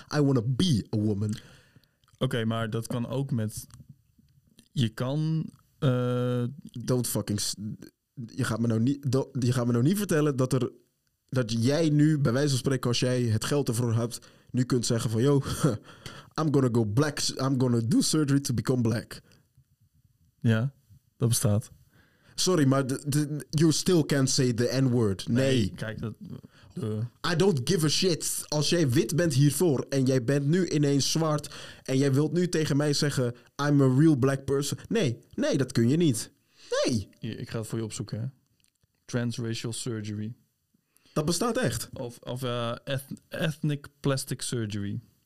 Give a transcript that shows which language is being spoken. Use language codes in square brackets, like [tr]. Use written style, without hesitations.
[en] I want to be a woman. [nl] Oké, maar dat kan ook met, je kan [en] Don't fucking... [nl] je gaat me nou niet vertellen dat er... Dat jij nu, bij wijze van spreken, als jij het geld ervoor hebt... Nu kunt zeggen van, yo, [en] I'm gonna go black. I'm gonna do surgery to become black. [nl] Ja, dat bestaat. [en] Sorry, maar you still can't say the N-word. [nl] Nee. Kijk, dat... [en] I don't give a shit. [nl] Als jij wit bent hiervoor en jij bent nu ineens zwart... en jij wilt nu tegen mij zeggen... [en] I'm a real black person. [nl] Nee, nee, dat kun je niet. Nee. Ja, ik ga het voor je opzoeken. [en] Hè. Transracial surgery. [nl] Dat bestaat echt. [en] Of ethnic plastic surgery.